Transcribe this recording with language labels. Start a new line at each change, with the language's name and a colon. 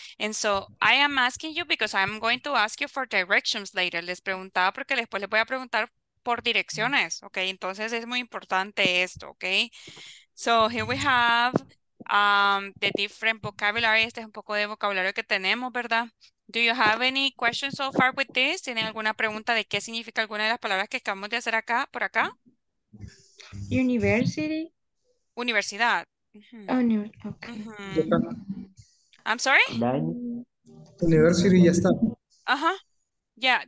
English: And so I am asking you because I'm going to ask you for directions later.
Spanish: Les preguntaba porque después les voy a preguntar por direcciones, ¿ok? Entonces es muy importante esto, ¿ok?
English: So here we have the different vocabulary.
Spanish: Este es un poco de vocabulario que tenemos, ¿verdad?
English: Do you have any questions so far with this?
Spanish: ¿Tienen alguna pregunta de qué significa alguna de las palabras que acabamos de hacer acá, por acá?
English: University.
Spanish: Universidad.
English: Okay. I'm sorry?
Spanish: University ya está. Ajá. Ya, yeah.